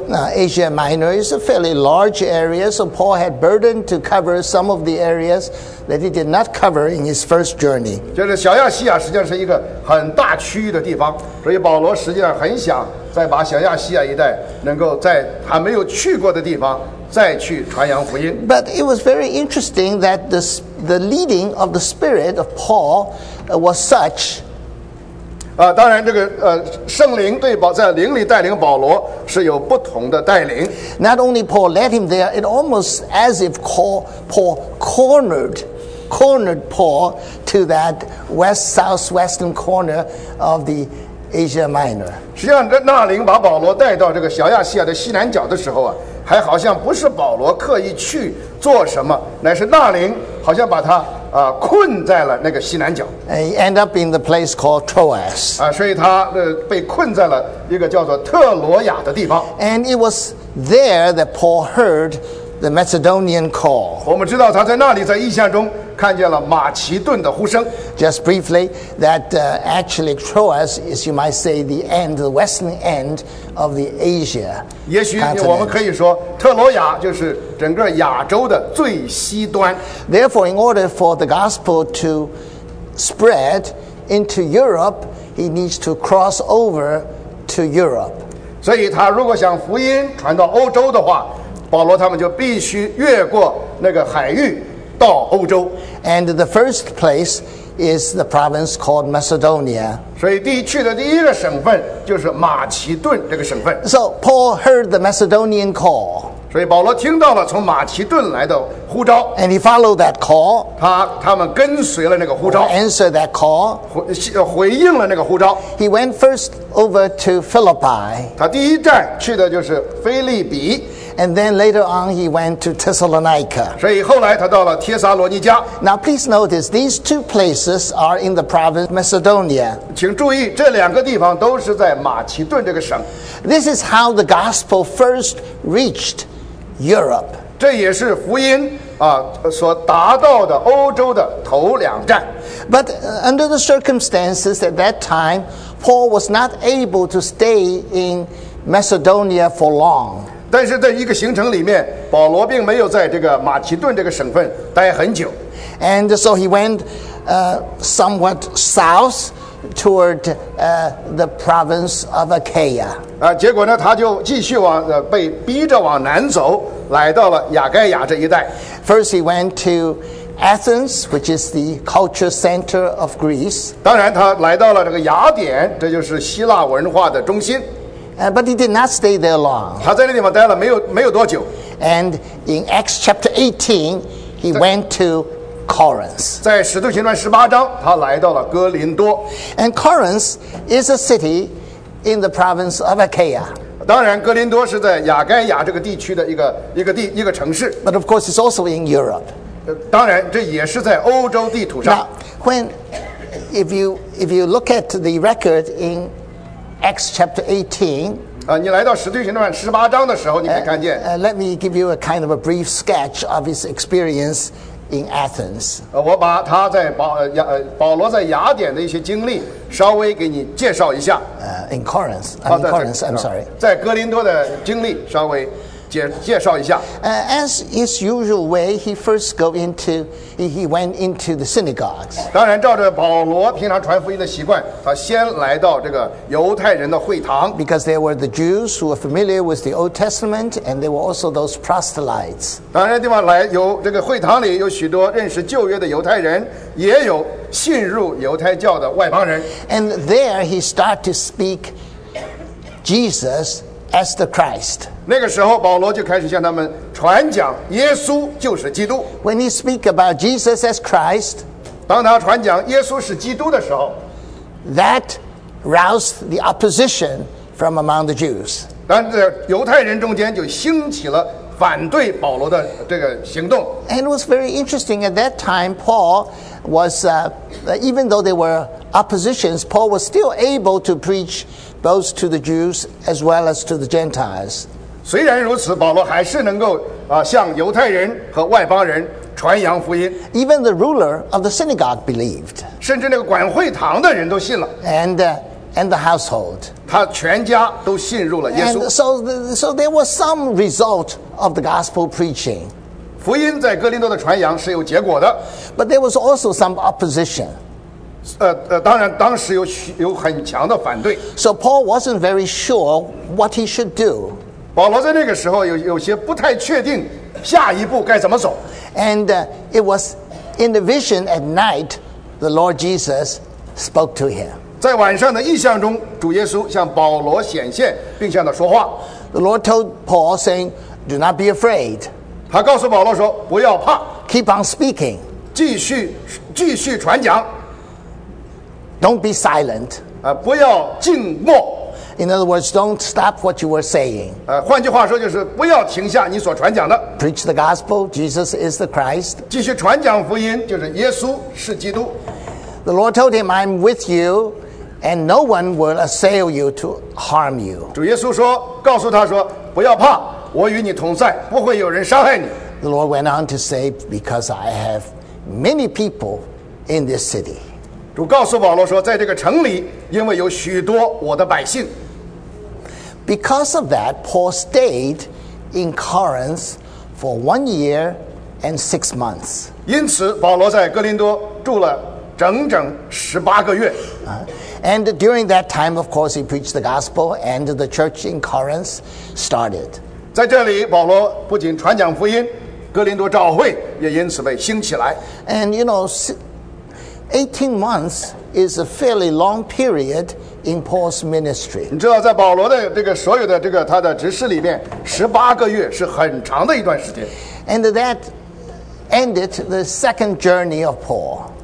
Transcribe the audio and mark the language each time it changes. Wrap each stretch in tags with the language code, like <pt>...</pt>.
<en>Asia Minor is a fairly large area, so Paul had burden to cover some of the areas that he did not cover in his first journey.</en> <zh>就是小亚细亚实际上是一个很大区域的地方，所以保罗实际上很想再把小亚细亚一带能够在他没有去过的地方再去传扬福音。</zh> <en>But it was very interesting that the leading of the Spirit of Paul. Was such.</en> <zh>当然这个圣灵对保在灵里带领保罗是有不同的带领。</zh> <en>Not only Paul led him there, it almost as if Paul cornered Paul to that west southwestern corner of the Asia Minor.</en> <zh>实际上，那灵把保罗带到这个小亚细亚的西南角的时候啊，还好像不是保罗刻意去做什么，乃是那灵好像把他。困在了那个西南角。</zh> <en>He ended up in the place called Troas.</en> <zh>所以他被困在了一个叫做特罗亚的地方。</zh> <en>And it was there that Paul heard the Macedonian call.</en> <zh>我们知道他在那里在异象中看见了马其顿的呼声。</zh> <en>Just briefly, that actually Troas is, you might say, the end, the western end of the Asia.</en> <zh>也许我们可以说，特罗亚就是整个亚洲的最西端。</zh> <en>Therefore, in order for the gospel to spread into Europe, he needs to cross over to Europe.</en> <zh>所以他如果想福音传到欧洲的话，保罗他们就必须越过那个海域。</zh> <en>And the first place is the province called Macedonia.</en> <zh>所以第一去的第一个省份就是马其顿这个省份。</zh> <en>So Paul heard the Macedonian call.</en> <zh>所以保罗听到了从马其顿来的呼召。</zh> <en>And he followed that call.</en> <zh>他们跟随了那个呼召。</zh> <en>Answered that call.</en> <zh>回应了那个呼召。</zh> <en>He went first over to Philippi.</en> <zh>他第一站去的就是腓立比。</zh> <en>And then later on, he went to Thessalonica.</en> <zh>所以后来他到了帖撒罗尼加。</zh> <en>Now, please notice, these two places are in the province of Macedonia.</en> <zh>请注意，这两个地方都是在马其顿这个省。</zh> <en>This is how the gospel first reached Europe.</en> <zh>这也是福音所达到的欧洲的头两站。</zh> <en>But under the circumstances at that time, Paul was not able to stay in Macedonia for long.</en> <zh>但是在一个行程里面，保罗并没有在这个马其顿这个省份待很久。</zh> <en>And so he went, somewhat south toward, the province of Achaia.</en> <zh>结果呢，他就继续往被逼着往南走，来到了亚该亚这一带。</zh> <en>First he went to Athens, which is the culture center of Greece.</en> <zh>当然，他来到了这个雅典，这就是希腊文化的中心。</zh> <en>But he did not stay there long.</en> <zh>他在那地方待了没有多久。</zh> <en>And in Acts chapter 18, he went to Corinth.</en> <zh>在《使徒行传》十八章，他来到了哥林多。</zh> <en>And Corinth is a city in the province of Achaia.</en> <zh>当然，哥林多是在亚该亚这个地区的一个城市。</zh> <en>But of course, it's also in Europe.</en> <zh>当然，这也是在欧洲地图上。</zh> <en>Now, when if you look at the record in Acts chapter 18.</en> <zh>你来到《使徒行传》十八章的时候，你可以看见。</zh> <en>Let me give you a kind of a brief sketch of his experience in Athens.</en> <zh>我把他在保罗在雅典的一些经历稍微给你介绍一下。</zh> <en>In Corinth, I'm sorry.</en> <zh>在哥林多的经历稍微介绍一下。</zh> <en>As his usual way, he went into the synagogues.</en> <zh>当然，照着保罗平常传福音的习惯，他先来到这个犹太人的会堂。</zh> <en>Because there were the Jews who were familiar with the Old Testament, and there were also those proselytes.</en> <zh>当然，地方来有这个会堂里有许多认识旧约的犹太人，也有信入犹太教的外邦人。</zh> <en>And there he started to speak Jesus. As the Christ.</en> <zh>那个时候，保罗就开始向他们传讲耶稣就是基督。</zh> <en>When he speak about Jesus as Christ,</en> <zh>当他传讲耶稣是基督的时候</zh> <en>，that roused the opposition from among the Jews.</en> <zh>但在犹太人中间就兴起了反对保罗的这个行动。</zh> <en>And it was very interesting at that time. Paul was, even though there were oppositions, Paul was still able to preach. Both to the Jews as well as to the Gentiles.</en> <zh>虽然如此，保罗还是能够向犹太人和外邦人传扬福音。</zh> <en>Even the ruler of the synagogue believed.</en> <zh>甚至那个管会堂的人都信了。</zh> <en>And the household.</en> <zh>他全家都信入了耶稣。</zh> <en>So there was some result of the gospel preaching.</en> <zh>福音在哥林多的传扬是有结果的。</zh> <en>But there was also some opposition.</en> <zh>当然当时 有很强的反对。</zh> <en>So Paul wasn't very sure what he should do.</en> <zh>保罗在那个时候 有些不太确定下一步该怎么走。</zh> <en>And it was in the vision at night, the Lord Jesus spoke to him.</en> <zh>在晚上的异象中主耶稣向保罗显现并向他说话。</zh> <en>The Lord told Paul saying, do not be afraid.</en> <zh>他告诉保罗说不要怕。</zh> <en>Keep on speaking.</en> <zh>继续传讲。</zh> <en>Don't be silent.</en> <zh>不要静默。</zh> <en>In other words, don't stop what you were saying.</en> <zh>换句话说就是不要停下你所传讲的。</zh> <en>Preach the gospel, Jesus is the Christ.</en> <zh>继续传讲福音，就是耶稣是基督。</zh> <en>The Lord told him, I'm with you, and no one will assail you to harm you.</en> <zh>主耶稣说，告诉他说，不要怕，我与你同在，不会有人伤害你。</zh> <en>The Lord went on to say, because I have many people in this city.</en> <zh>主告诉保罗说，在这个城里，因为有许多我的百姓。</zh> <en>Because of that, Paul stayed in Corinth for 1 year and 6 months.</en> <zh>因此，保罗在哥林多住了整整18个月。</zh> <en>And during that time, of course, he preached the gospel, and the church in Corinth started.</en> <zh>在这里，保罗不仅传讲福音，哥林多召会也因此被兴起来。</zh> <en>And you know. 18 months is a fairly long period in Paul's ministry.</en> <zh>你知道，在保罗的这个所有的这个他的执事里面，十八个月是很长的一段时间。</zh> <en>And that ended the second journey of Paul.</en>